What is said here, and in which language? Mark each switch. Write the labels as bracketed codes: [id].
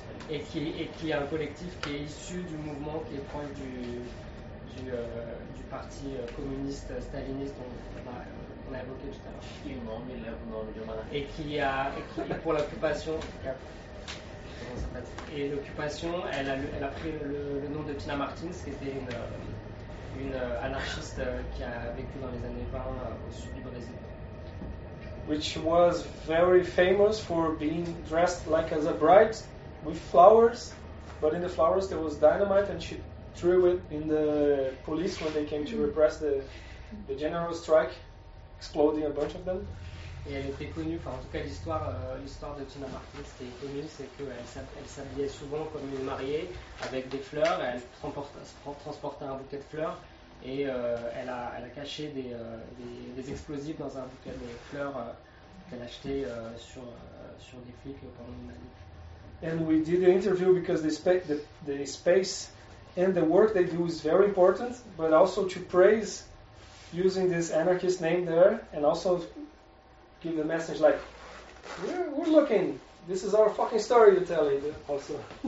[fr] Et qui est un collectif qui est issu du mouvement qui est proche du parti communiste staliniste dont on a évoqué tout à l'heure. Et pour l'occupation, et l'occupation, elle a pris le nom de Tina Martins, qui était une anarchiste qui a vécu dans les années 20 au sud du Brésil. [en] Which was very famous for being dressed like as a bride with flowers, but in the flowers there was dynamite, and she threw it in the police when they came to repress the general strike, exploding a bunch of them. [fr] Et elle était connue, enfin en tout cas l'histoire de Tina Martins qui est connue, c'est qu'elle s'habillait souvent comme une mariée avec des fleurs, elle transportait un bouquet de fleurs. Et elle a caché des explosifs dans un bouquet de fleurs qu'elle a acheté sur des flics pendant une manif. [en] And we did the interview because the space and the work they do is very important, but also to praise using this anarchist name there and also give the message like we're looking, this is our fucking story to tell it also.